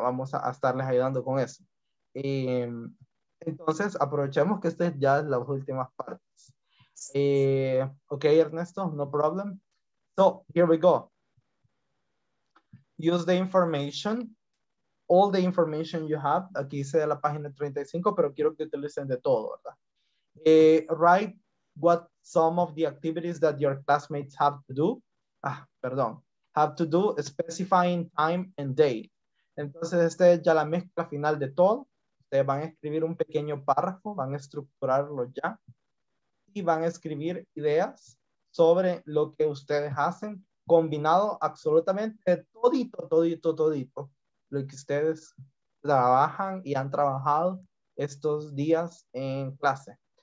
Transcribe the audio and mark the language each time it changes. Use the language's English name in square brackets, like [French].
[Spanish] Vamos a estarles ayudando con eso. Entonces, aprovechemos que estas ya son las últimas partes. [English] Ok, Ernesto, no problem. So, here we go. Use the information, all the information you have. [Spanish] Aquí dice de la página 35, pero quiero que utilicen de todo, ¿verdad? [English] Write what some of the activities that your classmates have to do. [Spanish] Ah, perdón. [English] Have to do, specifying time and day. [Spanish] Entonces, este es ya la mezcla final de todo. Ustedes van a escribir un pequeño párrafo, van a estructurarlo ya. Y van a escribir ideas sobre lo que ustedes hacen, combinado absolutamente todito, todito, todito lo que ustedes trabajan y han trabajado estos días en clase.